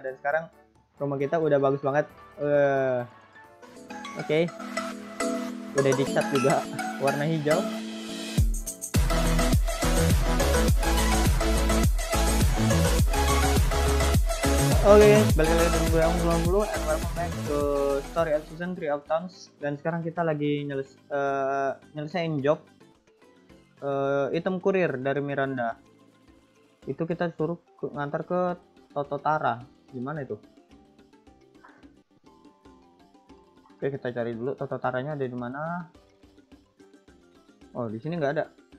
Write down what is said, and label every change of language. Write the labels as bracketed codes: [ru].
[id] Dan sekarang rumah kita udah bagus banget. Oke. Udah dicat juga warna hijau. Oke, balik lagi dengan gue yang dulu. [en] And welcome back to Story of Season 3 of Towns. [id] Dan sekarang kita lagi nyelesain job item kurir dari Miranda. Itu kita suruh ngantar ke Tototara. Gimana itu? Oke, kita cari dulu Tototaranya ada di mana. Oh, di sini nggak ada.